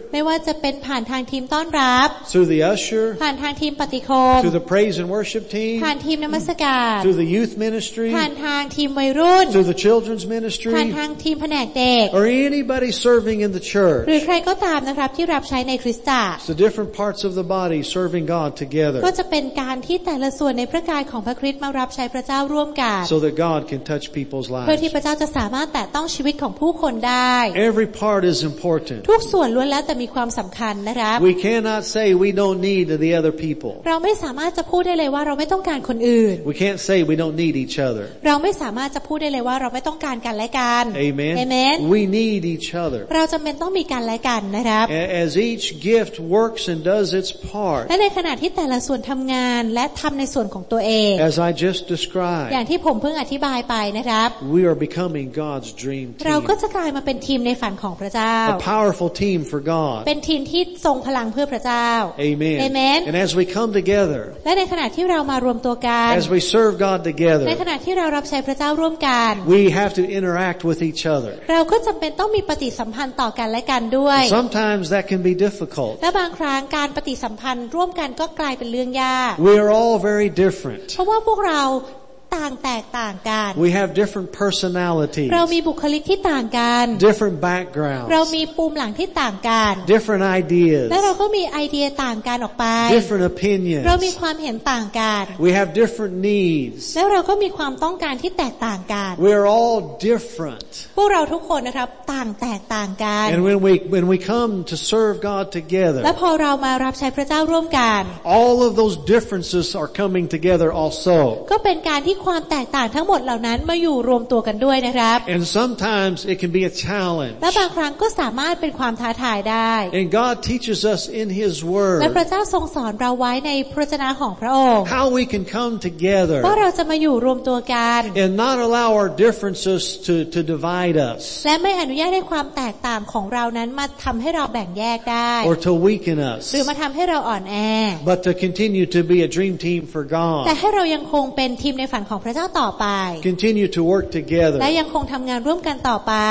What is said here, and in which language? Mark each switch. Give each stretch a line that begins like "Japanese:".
Thai: ไม่ว่าจะเป็นผ่านทางทีมต้อนรับ
English: through the usher
Thai: ผ่านทางทีมปฏิโคม
English: through the praise and worship team
Thai: ผ่านทีมนมัสการ
English: through the youth ministry
Thai: ผ่านทางทีมวัยรุ่น
English: through the children's ministry
Thai: ผ่านทางทีมแผนกเด็ก
English: or anybody serving in the church
Thai: หรือใครก็ตามนะครับที่รับใช้ในคริสตจักร
English: the different parts of the body serving God together
Thai: ก็จะเป็นการที่แต่ละส่วนในพระกายของพระคริสต์มารับใช้พระเจ้าร่วมกัน
English: so that God can touch people's lives
Thai: เพื่อที่พระเจ้าจะสามารถแตะต้องชีวิตของผู้คนได้
English: every part is important
Thai: ทุกส่วนล้วนแล้วแต่มีความสำคัญนะครับ
English: we cannot say we don't need the other people
Thai: เราไม่สามารถจะพูดได้เลยว่าเราไม่ต้องการคนอื่น
English: we can't say we don't need each other
Thai: เราไม่สามารถจะพูดได้เลยว่าเราไม่ต้องการกันและกัน
English: amen amen we need each other
Thai: เราจำเป็นต้องมีกันและกันนะครับ
English: as each gift works and does its part
Thai: และในขณะที่แต่ละส่วนทำงานและทำในส่วนของตัวเอง
English: as I just described
Thai: อย่างที่ผมเพิ่งอธิบายไปนะครับ
English: we are becoming God's dream team
Thai: เราก็จะกลายมาเป็นทีมในฝันของพระเจ้า
English: a powerful team for God
Thai: เป็นทีมที่ทรงพลังเพื่อพระเจ้า
English: amen amen and as we come together
Thai: และในขณะที่เรามารวมตัวกัน
English: as we serve God together
Thai: ในขณะที่เรารับใช้พระเจ้าร่วมกัน
English: we have to interact with each other
Thai: เราก็จำเป็นต้องมีปฏิสัมพันธ์ต่อกันและกันด้วย
English: sometimes that can be difficult
Thai: และบางครั้งการปฏิสัมพันธ์ร่วมกันก็กลายเป็นเรื่องยาก
English: we are all very different
Thai: เพราะว่าพวกเราต่างแตกต่างกัน
English: We have different personalities
Thai: เรามีบุคลิกที่ต่างกัน
English: different backgrounds
Thai: เรามีภูมิหลังที่ต่างกัน
English: different ideas
Thai: และเราก็มีไอเดียต่างกันออกไป
English: different opinions
Thai: เรามีความเห็นต่างกัน
English: we have different needs
Thai: และเราก็มีความต้องการที่แตกต่างกัน
English: we are all different
Thai: พวกเราทุกคนนะครับต่างแตกต่างกัน
English: and when we come to serve God together
Thai: และพอเรามารับใช้พระเจ้าร่วมกัน
English: all of those differences are coming together also
Thai: ก็เป็นการที่ความแตกต่างทั้งหมดเหล่านั้นมาอยู่รวมตัวกันด้วยนะครับ
English: And sometimes it can be a challenge
Thai: และบางครั้งก็สามารถเป็นความท้าทายได้
English: And God teaches us in His Word
Thai: และพระเจ้าทรงสอนเราไว้ในพระวจนะของพระองค์
English: How we can come together
Thai: ว่าเราจะมาอยู่รวมตัวกัน
English: And not allow our differences to divide us
Thai: และไม่อนุญาตให้ความแตกต่างของเรานั้นมาทำให้เราแบ่งแยกได้
English: Or to weaken us
Thai: หรือมาทำให้เราอ่อนแอ
English: But to continue to be a dream team for God
Thai: แต่ให้เรายังคงเป็นทีมในฝันของพระเจ้าต่อไป
English: Continue to work together
Thai: และยังคงทำงานร่วมกันต่อไป